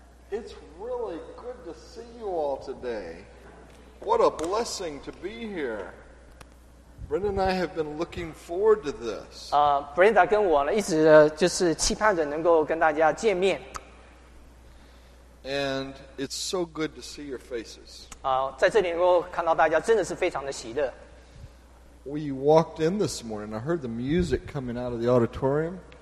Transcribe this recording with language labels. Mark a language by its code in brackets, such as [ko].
[en] It's really good to see you all today. What a blessing to be here. Brenda and I have been looking forward to this. [zh] Brenda跟我呢，一直就是期盼着能够跟大家见面。 [en] And it's so good to see your faces. [zh] 在这里能够看到大家，真的是非常的喜乐。 [en] We walked in this morning. I heard the music coming out of the auditorium.